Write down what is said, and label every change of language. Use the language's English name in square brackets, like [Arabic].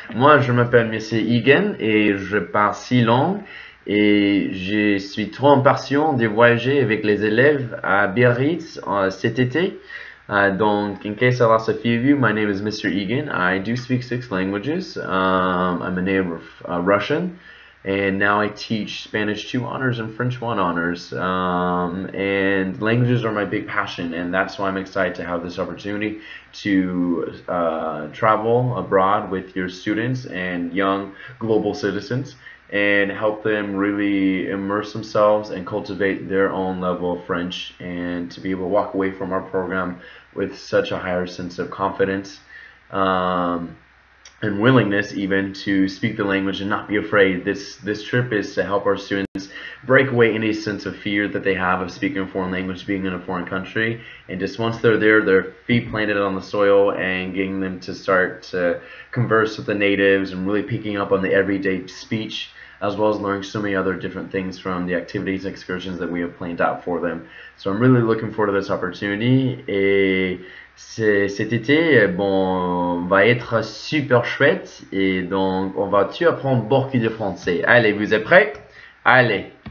[French] Moi, je m'appelle Monsieur Egan et je parle six langues et je suis trop impatient de voyager avec les élèves à Biarritz cet été. [English] Donc, in case I lost a few of you, my name is Mr. Egan. I do speak six languages. I'm a native of Russian, and now I teach Spanish 2 honors and French 1 honors. And languages are my big passion, and that's why I'm excited to have this opportunity to travel abroad with your students and young global citizens and help them really immerse themselves and cultivate their own level of French and to be able to walk away from our program with such a higher sense of confidence and willingness even to speak the language and not be afraid. This trip is to help our students break away any sense of fear that they have of speaking a foreign language, being in a foreign country, and just once they're there, their feet planted on the soil and getting them to start to converse with the natives and really picking up on the everyday speech, as well as learning so many other different things from the activities and excursions that we have planned out for them. So I'm really looking forward to this opportunity. [French] Et c'est cet été, bon, va être super chouette. Et donc, on va-tu apprendre beaucoup de français? Allez, vous êtes prêts? Allez!